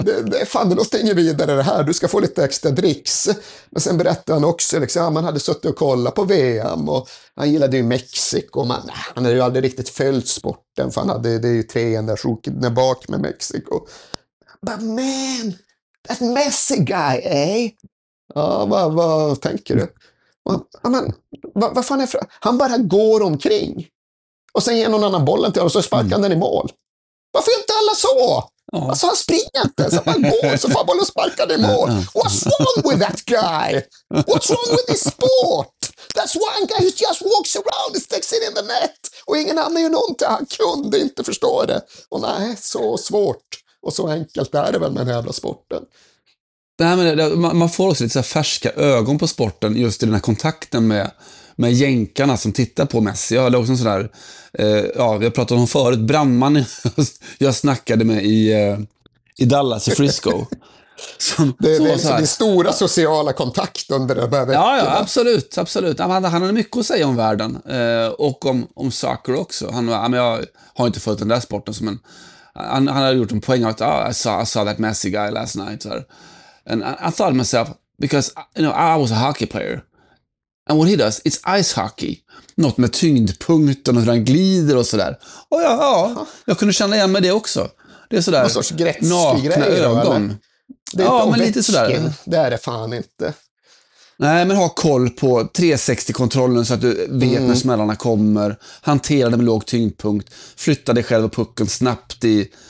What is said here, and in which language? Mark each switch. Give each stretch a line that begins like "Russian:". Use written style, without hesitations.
Swedish: Det fan, det låter ingen vidare det här, du ska få lite extra dricks. Men sen berättade han också liksom, man hade suttit och kollat på VM och han gillade ju Mexiko, men han hade ju aldrig riktigt följt sporten, för han hade det är ju tre generationer bak med Mexiko.
English: But man, that Messi guy, eh?
Swedish: Ja, vad tänker du? Vad fan är han bara går omkring och sen ger någon annan bollen till honom och så sparkar han den i mål. Varför inte alla så? Alltså han springer inte, så han går, så får bollen sparkad i mål.
English: What's wrong with that guy? What's wrong with this sport? That's one guy who just walks around and sticks it in the net.
Swedish: Och ingen annan gör någonting, han kunde inte förstå det. Och nej, så svårt och så enkelt är det väl med den jävla sporten. Det här med det, man får också lite så här färska ögon på sporten just i den här kontakten med jänkarna som tittar på Messi. Jag hörde också en sån där, vi har pratat om förut, brandman jag snackade med i Dallas, i Frisco. Det är stora sociala kontakt under det här veckorna. Ja, absolut, absolut. Han hade mycket att säga om världen och om soccer också. Jag har inte följt den där sporten, men han hade gjort en poäng av att
English: I saw that Messi guy last night. Så, and I thought to myself, because you know, I was a hockey player. And what he does, it's ice hockey.
Swedish: Något med tyngdpunkten och hur han glider och sådär. Och ja, jag kunde känna igen med det också. Det är sådär någon sorts grätskig nakna grej ögon. Då, det är ja, men lite sådär. Det är det fan inte. Nej, men ha koll på 360-kontrollen så att du vet när smällarna kommer. Hantera det med låg tyngdpunkt. Flytta dig själv och pucken snabbt i